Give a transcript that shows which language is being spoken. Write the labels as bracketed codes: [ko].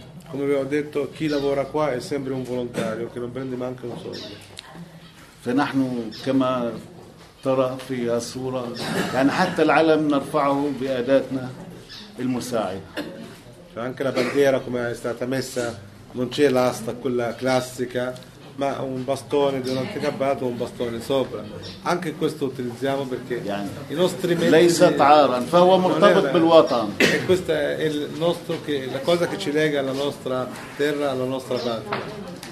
[it] come vi ho detto, chi lavora qua è sempre un volontario che non prende neanche un soldo. [ar] فنحن كما ترى في الصورة يعني حتى العلم نرفعه بأداتنا المساعدة. [it] Anche la bandiera come è stata messa non c'è l'asta quella classica, ma un bastone di un anticappato, un bastone sopra. Anche questo utilizziamo perché i nostri mezzi [ar] ليست عارا فهو مرتبط بالوطن. [it] E questa è il nostro, che la cosa che ci lega alla nostra terra, alla nostra patria.